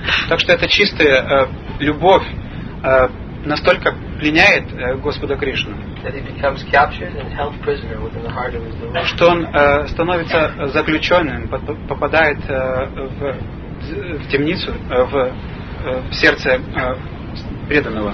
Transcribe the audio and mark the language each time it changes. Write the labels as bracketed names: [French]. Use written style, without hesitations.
[Russian] Так что эта чистая любовь настолько пленяет Господа Кришну, [English] that he becomes captured and held prisoner within the heart of his devotee. [Russian] Что он становится заключенным, попадает в темницу, в сердце преданного.